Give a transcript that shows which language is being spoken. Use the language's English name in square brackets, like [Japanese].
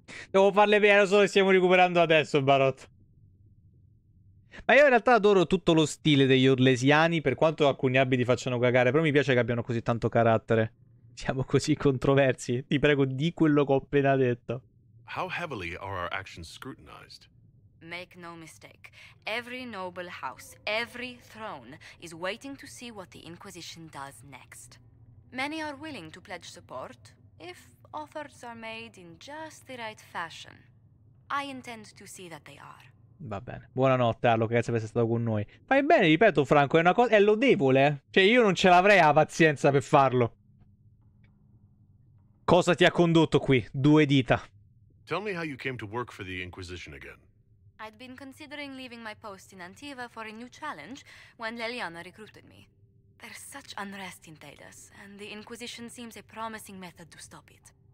[Italian] Devo farle bene, solo che stiamo recuperando adesso, Barot. Ma io in realtà adoro tutto lo stile degli Orlesiani, per quanto alcuni abiti facciano cagare, però mi piace che abbiano così tanto carattere. Siamo così controversi, ti prego di quello che ho appena detto. [English] How heavily are our actions scrutinized? Make no mistake. Every noble house, every throne is waiting to see what the Inquisition does next. Many are willing to pledge support if offers are made in just the right fashion. I intend to see that they are. [Italian] Va bene. Buonanotte, Arlo, grazie per essere stato con noi. Fai bene, ripeto, Franco, è una cosa... è lodevole, eh? Cioè, io non ce l'avrei la pazienza per farlo. Cosa ti ha condotto qui? Due dita. [English] Tell me how you came to work for the Inquisition again. I'd been considering leaving my post in Antiva for a new challenge when Liliana recruited me. There's such unrest in Thedas, and the Inquisition seems a promising method to stop it.